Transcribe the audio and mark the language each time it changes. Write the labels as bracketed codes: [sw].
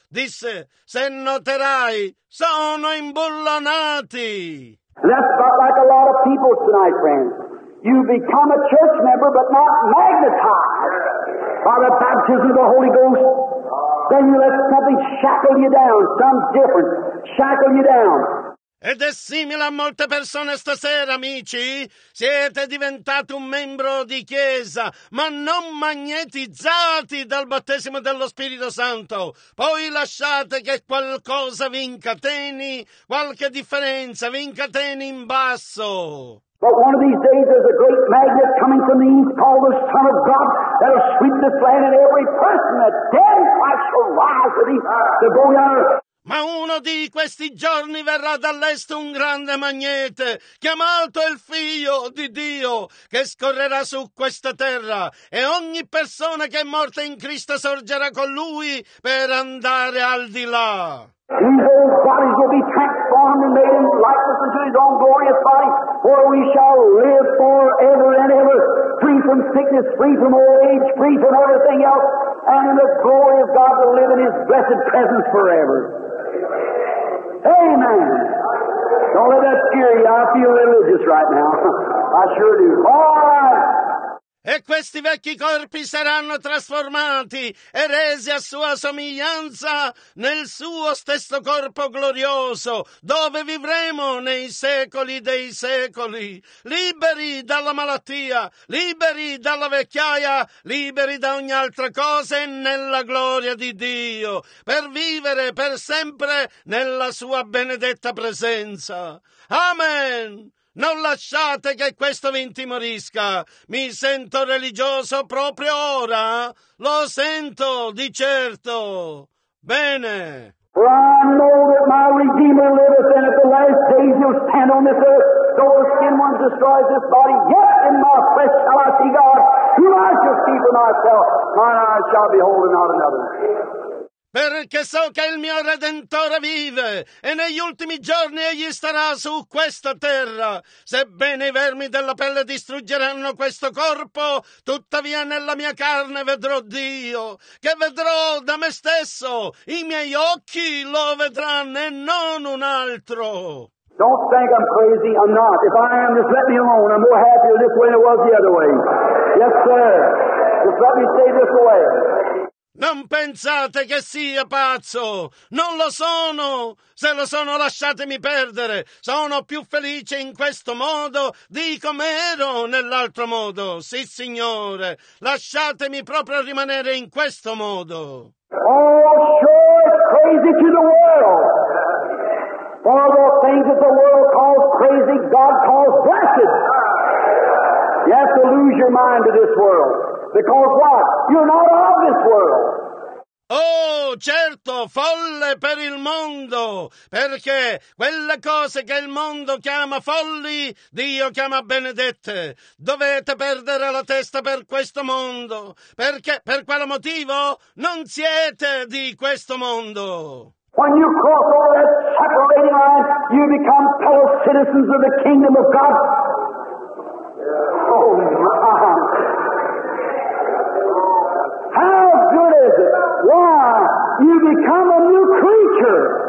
[it] Disse, se noterai, sono imbullonati. [en] That's about like a lot of people tonight, friends. You become a church member, but not magnetized by the baptism of the Holy Ghost. Then you let something shackle you down, some difference, shackle you down. [it] Ed è simile a molte persone stasera, amici. Siete diventati un membro di chiesa, ma non magnetizzati dal battesimo dello Spirito Santo. Poi lasciate che qualcosa vi incateni, qualche differenza, vi incateni in basso. [en] But one of these days there's a great magnet coming from the east called the Son of God that'll sweep this land and every person that dead Christ shall rise to the glory of earth. [it] Ma uno di questi giorni verrà dall'est un grande magnete, chiamato il Figlio di Dio, che scorrerà su questa terra, e ogni persona che è morta in Cristo sorgerà con lui per andare al di là. [en] These old bodies will be transformed and made in likeness into his own glorious body, where we shall live forever and ever, free from sickness, free from old age, free from everything else, and in the glory of God will live in his blessed presence forever. Amen. Don't let that scare you. I feel religious right now. I sure do. All right. [it] E questi vecchi corpi saranno trasformati e resi a sua somiglianza nel suo stesso corpo glorioso, dove vivremo nei secoli dei secoli, liberi dalla malattia, liberi dalla vecchiaia, liberi da ogni altra cosa e nella gloria di Dio, per vivere per sempre nella sua benedetta presenza. Amen! Non lasciate che questo vi intimorisca. Mi sento religioso proprio ora. Lo sento, di certo. Bene. [en] For I know that my Redeemer liveth, and at the last days he'll stand on this earth. Though the skin one destroys this body, yet in my flesh shall I see God, whom I shall see for myself. Mine eyes shall behold not another. [it] Perché so che il mio Redentore vive, e negli ultimi giorni egli starà su questa terra. Sebbene i vermi della pelle distruggeranno questo corpo, tuttavia nella mia carne vedrò Dio, che vedrò da me stesso. I miei occhi lo vedranno e non un altro. [en] Don't think I'm crazy. I'm not. If I am, just let me alone. I'm more happier this way than it was the other way. Yes, sir. Just let me stay this way. [it] Non pensate che sia pazzo, non lo sono, se lo sono lasciatemi perdere, sono più felice in questo modo di come ero nell'altro modo, sì signore, lasciatemi proprio rimanere in questo modo. [en] Oh, sure, crazy to the world, for the things that the world calls crazy, God calls blessed. You have to lose your mind to this world. Because what? You're not of this world. [it] Oh, certo, folle per il mondo. Perché quelle cose che il mondo chiama folli, Dio chiama benedette. Dovete perdere la testa per questo mondo. Perché, per quale motivo? Non siete di questo mondo. [en] When you cross over that separating line, you become fellow citizens of the kingdom of God. Oh, my. How good is it? Why? You become a new creature.